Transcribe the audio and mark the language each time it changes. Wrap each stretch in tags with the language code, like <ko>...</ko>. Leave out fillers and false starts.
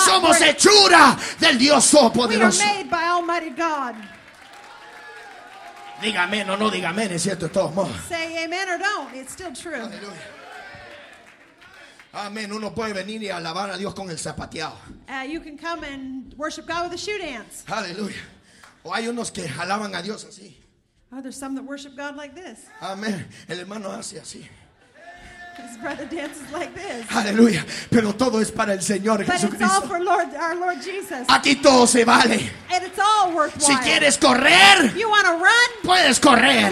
<es>somos</es> <en>bricks.</en> <es>Hechura del Dios Todopoderoso.</es> <en>We are made by Almighty God.</en> <es>Diga amén o no diga amén, es cierto, todo modo.</es> <en>Say amen or don't, it's still true.</en> <es>Aleluya. Amén. Uno puede venir y alabar a Dios con el zapateado.</es> <en>You can come and worship God with a shoe dance.</en> <es>Aleluya. O hay unos que alaban a Dios así.</es> <en>Are there some that worship God like this?</en> <es>Amén. El hermano hace así.</es> <en>His brother dances like this.</en> <es>Aleluya. Pero todo es para el Señor</es> <en>But</en> <es>Jesucristo.</es> <en>It's all for Lord, our Lord Jesus.</en> <es>Aquí todo se vale.</es> <en>And it's all worthwhile.</en> <es>Si quieres correr,</es> <en>you want to run?</en> <es>Puedes correr.</es>